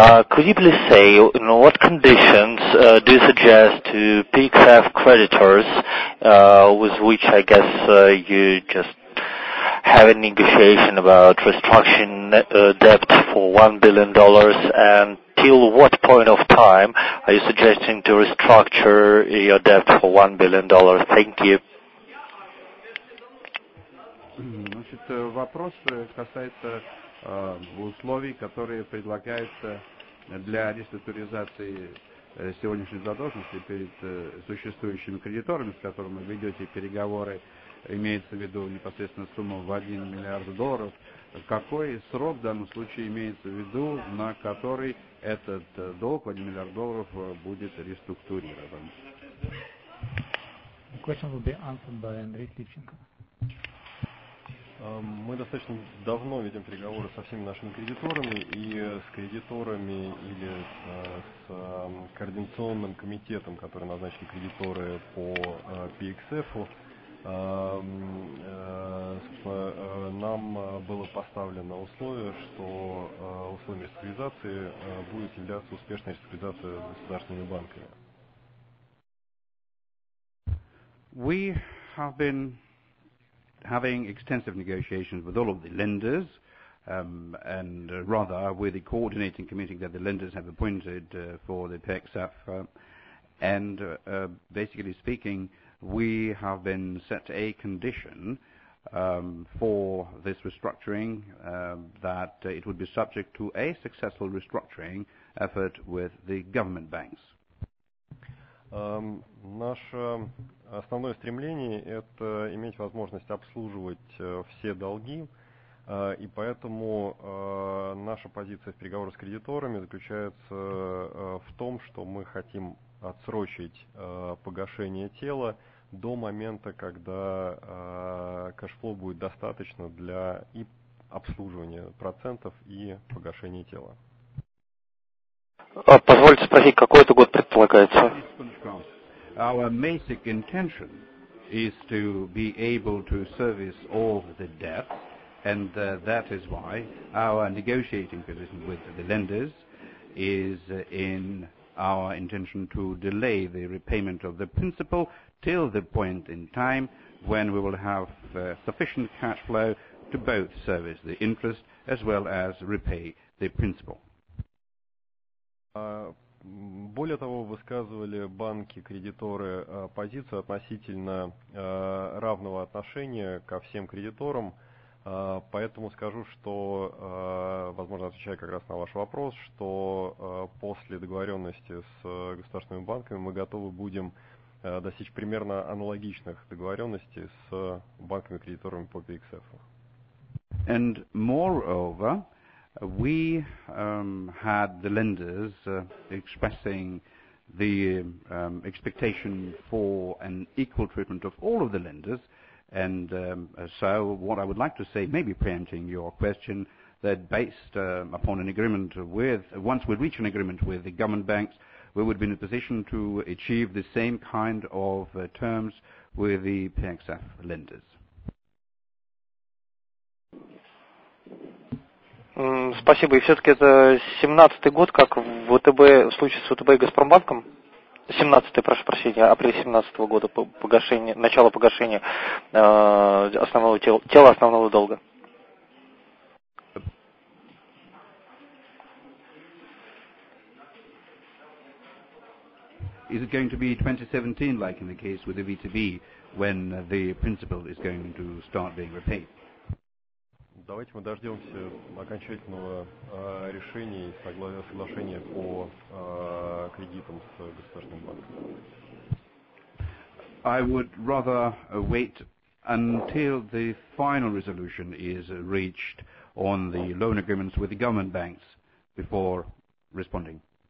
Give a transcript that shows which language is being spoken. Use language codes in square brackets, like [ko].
[en] Could you please say, you know, what conditions do you suggest to PXF creditors with which I guess you just have a negotiation about restructuring debt for $1 billion, and till what point of time are you suggesting to restructure your debt for $1 billion? Thank you. [ru] Значит, вопрос касается условий, которые предлагаются для реструктуризации сегодняшней задолженности перед существующими кредиторами, с которыми вы ведете переговоры, имеется в виду непосредственно сумма в $1 миллиард. Какой срок в данном случае имеется в виду, на который этот долг в $1 миллиард будет реструктурирован? [en] Question will be answered by Andrei Tipchenko. [ru] Мы достаточно давно ведем переговоры со всеми нашими кредиторами, и с кредиторами или с координационным комитетом, который назначили кредиторы по PXF, нам было поставлено условие, что условием реструктуризации будет являться успешной реструктуризацией с государственными банками. [en] We have been having extensive negotiations with all of the lenders, and rather with the coordinating committee that the lenders have appointed for the PXF. And basically speaking, we have been set a condition for this restructuring that it would be subject to a successful restructuring effort with the government banks. [ru] Наше основное стремление – это иметь возможность обслуживать все долги, и поэтому наша позиция в переговорах с кредиторами заключается в том, что мы хотим отсрочить погашение тела до момента, когда кэшфлоу будет достаточно для и обслуживания процентов, и погашения тела. Позвольте спросить, какой это год предполагается? [en] Our basic intention is to be able to service all the debt, and that is why our negotiating position with the lenders is in our intention to delay the repayment of the principal till the point in time when we will have sufficient cash flow to both service the interest as well as repay the principal. [ru] Более того, высказывали банки, кредиторы позицию относительно равного отношения ко всем кредиторам. Поэтому скажу, что, возможно, отвечая как раз на ваш вопрос, что после договоренности с государственными банками мы готовы будем достичь примерно аналогичных договоренностей с банками-кредиторами по PXF. [en] And moreover, we had the lenders expressing the expectation for an equal treatment of all of the lenders. And so what I would like to say, maybe preempting your question, that based upon an agreement with, once we reach an agreement with the government banks, we would be in a position to achieve the same kind of terms with the PXF lenders. [ru] Спасибо. И все-таки это 17-й год, как в ВТБ, в случае с ВТБ и Газпромбанком. 17-й, прошу прощения, апрель 17-го года, погашение, начало погашения основного тела основного долга. [en] Is it going to be 2017, like in the case with the VTB, when the principal is going to start being repaid? [ru] Давайте мы дождемся окончательного решения и соглашения по кредитам с государственным банком. [en] I would rather wait until the final resolution is reached on the loan agreements with the government banks before responding.